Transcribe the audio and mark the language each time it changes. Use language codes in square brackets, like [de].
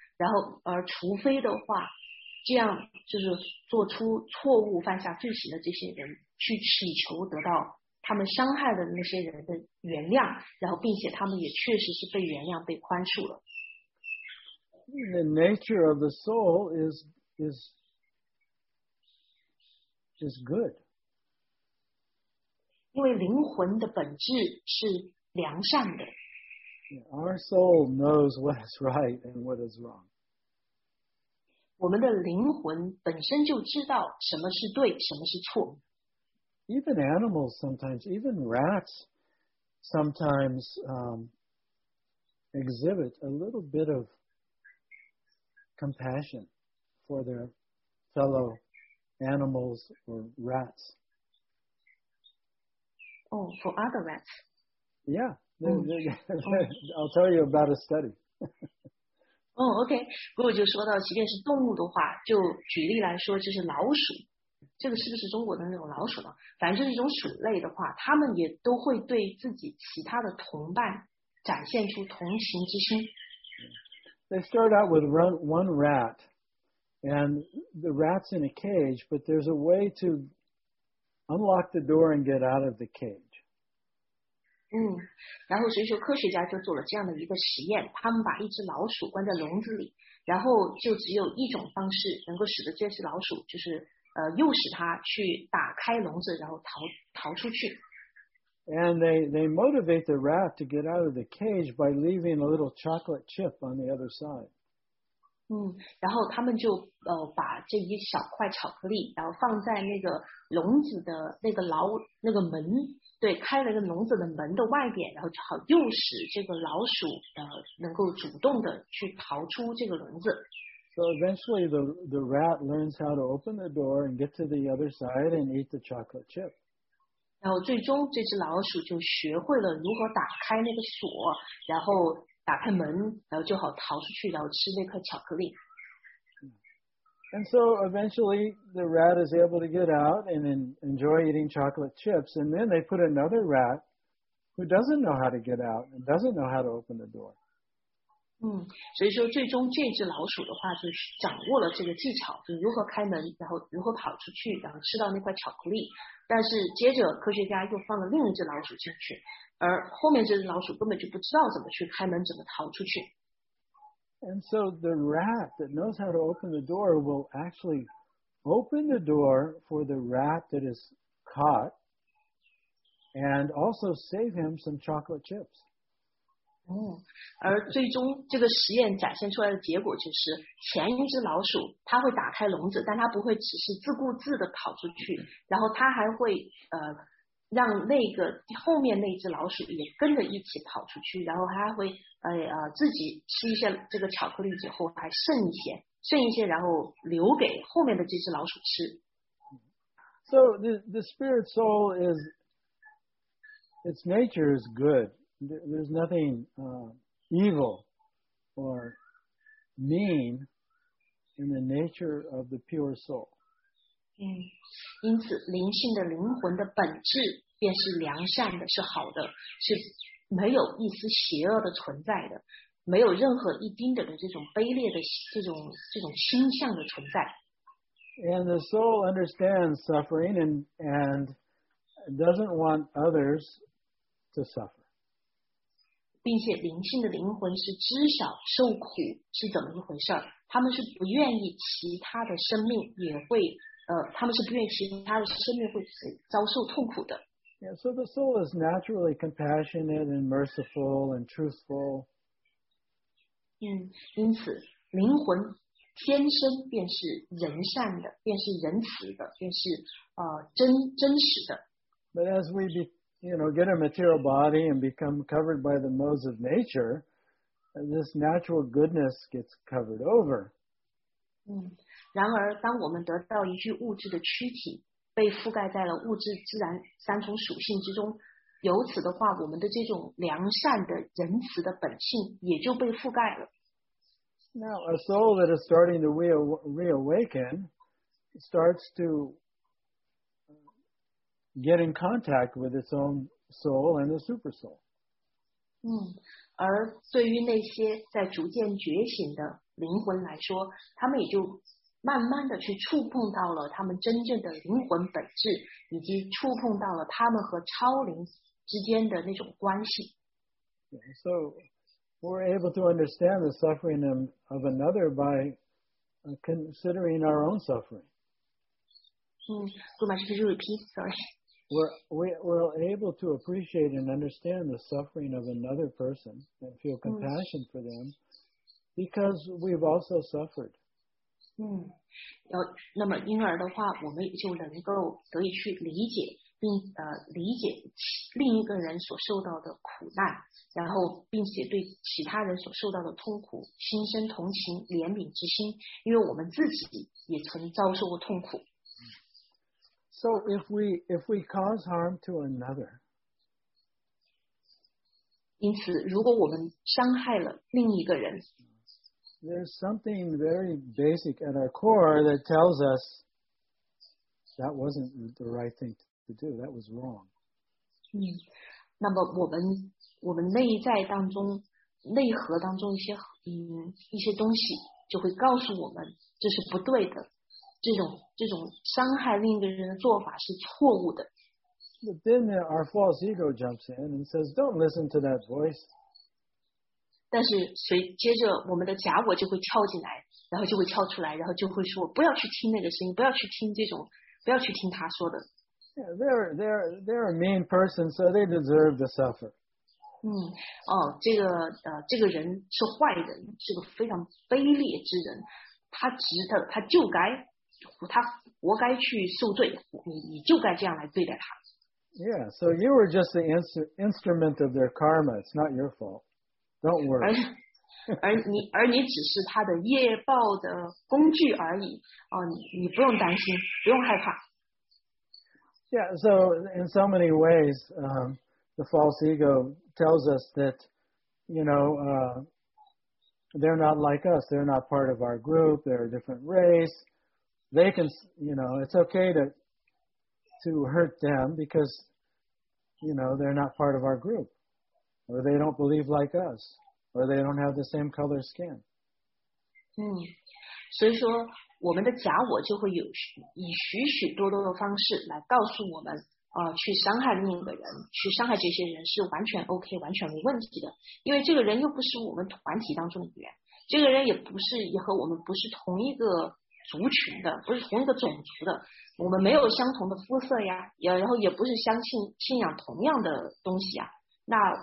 [zh] 然后而除非的话，这样就是做出错误犯下罪行的这些人去祈求得到他们伤害的那些人的原谅，然后并且他们也确实是被原谅被宽恕了。 [en] The nature of the soul is good. [zh] 因为灵魂的本质是良善的。 [en] Our soul knows what is right and what is wrong. [zh] 我们的灵魂本身就知道什么是对，什么是错。 [en] Even animals sometimes, even rats sometimes exhibit a little bit of compassion for their fellow animals or rats. Oh, for other rats. Yeah. Mm-hmm. I'll tell you about a study. Oh, okay. [zh] 如果就说到即便是动物的话，就举例来说，就是老鼠，这个是不是中国的那种老鼠呢？反正就是一种鼠类的话，他们也都会对自己其他的同伴展现出同情之心。 [en] They start out with one rat, and the rat's in a cage, but there's a way to unlock the door and get out of the cage. [zh] 嗯，然后所以说科学家就做了这样的一个实验，他们把一只老鼠关在笼子里，然后就只有一种方式能够使得这只老鼠就是诱使它去打开笼子，然后逃出去。 [en] And they motivate the rat to get out of the cage by leaving a little chocolate chip on the other side. [zh] 嗯，然后他们就把这一小块巧克力，然后放在那个笼子的那个牢那个门，对，开了一个笼子的门的外边，然后就好诱使这个老鼠能够主动的去逃出这个笼子。 [en] So eventually the rat learns how to open the door and get to the other side and eat the chocolate chip. [zh] 然后最终这只老鼠就学会了如何打开那个锁，然后打开门，然后就好逃出去，然后吃那块巧克力。 [en] And so eventually the rat is able to get out and enjoy eating chocolate chips, and then they put another rat who doesn't know how to get out and doesn't know how to open the door. [zh] 嗯，所以说最终这只老鼠的话就掌握了这个技巧，就如何开门，然后如何跑出去，然后吃到那块巧克力。但是接着科学家又放了另一只老鼠进去，而后面这只老鼠根本就不知道怎么去开门，怎么逃出去。 [en] And so the rat that knows how to open the door will actually open the door for the rat that is caught and also save him some chocolate chips. [zh] 嗯，而最终这个实验展现出来的结果就是，前一只老鼠它会打开笼子，但它不会只是自顾自的跑出去，然后它还会让那个后面那只老鼠也跟着一起跑出去，然后它还会自己吃一些这个巧克力之后还剩一些，然后留给后面的这只老鼠吃。 [en] So the spirit soul is its nature is good. There's nothing evil or mean in the nature of the pure soul. [zh] 嗯，因此灵性的灵魂的本质便是良善的，是好的，是没有一丝邪恶的存在的，没有任何一丁点的这种卑劣的这种倾向的存在。 [en] And the soul understands suffering and doesn't want others to suffer. [zh] 并且灵性的灵魂是知晓受苦是怎么一回事儿，他们是不愿意其他的生命也会他们是不愿意其他的生命会遭受痛苦的。 [en] Yeah, so the soul is naturally compassionate and merciful and truthful. [zh] 嗯，因此灵魂天生便是仁善的，便是仁慈的，便是真实的。 [en] But as we beyou know, get a material body and become covered by the modes of nature, and this natural goodness gets covered over. [zh] 嗯，然而当我们得到一具物质的躯体，被覆盖在了物质自然三重属性之中，由此的话，我们的这种良善的仁慈的本性也就被覆盖了。 [en] Now, a soul that is starting to reawaken starts to... get in contact with its own soul and the super soul. [zh] 嗯，而对于那些在逐渐觉醒的灵魂来说，他们也就慢慢的去触碰到了他们真正的灵魂本质，以及触碰到了他们和超灵之间的那种关系。 [en] Yeah, so we're able to understand the suffering of another by considering our own suffering. [zh] 嗯，不瞒是不是 [en] repeat? Sorry. We're able to appreciate and understand the suffering of another person and feel compassion for them because we've also suffered. [zh] 嗯，那么因而的话，我们也就能够得以去理解并理解另一个人所受到的苦难，然后并且对其他人所受到的痛苦心生同情怜悯之心，因为我们自己也曾遭受过痛苦。 [en] So if we cause harm to another, [zh] 因此如果我们伤害了另一个人, [en] there's something very basic at our core that tells us that wasn't the right thing to do, that was wrong. [zh] 那么我们内在当中内核当中一些东西就会告诉我们这是不对的，这种伤害另一个人的做法是错误的。 [en] But then our false ego jumps in and says, "Don't listen to that voice." [zh] 但是随接着我们的假我就会跳进来，然后就会跳出来，然后就会说不要去听那个声音，不要去听这种，不要去听他说的。 [en] Yeah, they're a mean person, so they deserve to suffer. [zh] 这个人是坏人，是个非常卑劣之人，他值得，他就该，他活该去受罪，你就该这样来对待他。 [en] Yeah, so you were just the instrument of their karma. It's not your fault. Don't worry. [zh] 而你只是他的业报的工具而已。你不用担心，不用害怕。 [en] Yeah, so in so many ways, the false ego tells us that, they're not like us. They're not part of our group. They're a different race. They can, it's okay to hurt them because, they're not part of our group. Or they don't believe like us. Or they don't have the same color skin. [zh] 所以说我们的假我就会有以许许多多的方式来告诉我们去伤害另一个人，去伤害这些人是完全 OK 完全没问题的，因为这个人又不是我们团体当中的人，这个人也不是也和我们不是同一个族群的，不是同一个种族的，我们没有相同的肤色呀，然后也不是相信仰同样的东西啊，那